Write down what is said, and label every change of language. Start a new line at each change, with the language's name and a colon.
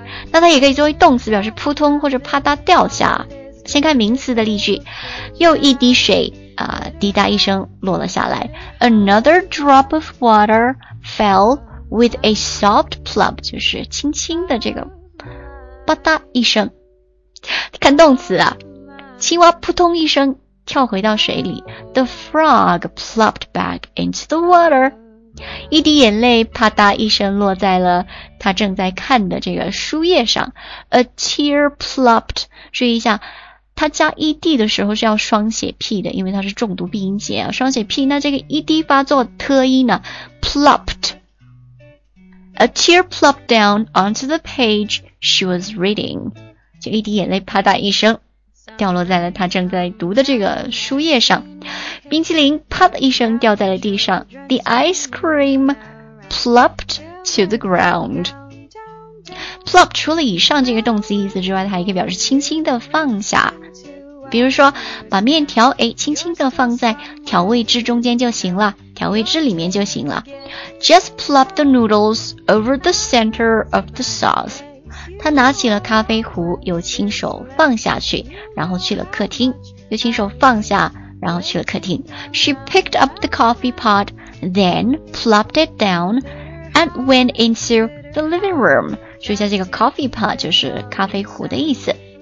Chinese: 那它也可以作为动词，表示扑通或者啪嗒掉下。先看名词的例句，又一滴水滴答一声落了下来。
English: Another drop of water fell with a soft plop,
Chinese: 就是轻轻的这个啪嗒一声，看动词啊，青蛙扑通一声跳回到水里。
English: The frog plopped back into the water.
Chinese: 一滴眼泪啪嗒一声落在了他正在看的这个书页上。
English: A tear plopped.
Chinese: 注意一下，他加 ed 的时候是要双写 p 的，因为他是重读闭音节啊，双写 p。那这个 ed 发作特音呢 ，plopped.
English: A tear plopped down onto the page. She was reading.
Chinese: 就一滴眼泪啪嗒一声掉落在了她正在读的这个书页上。冰淇淋啪嗒一声掉在了地上。
English: The ice cream plopped to the ground.
Chinese: Plop 除了以上这个动词意思之外，它还可以表示轻轻的放下。比如说把面条轻轻的放在调味汁中间就行了，调味汁里面就行了。
English: Just plop the noodles over the center of the sauce.
Chinese: 他拿起了咖啡壶，又亲手放下去，然后去了客厅。
English: She picked up the coffee pot, then plopped it down, and went into the living room.
Chinese: 注意一下这个 coffee pot 就是咖啡壶的意思。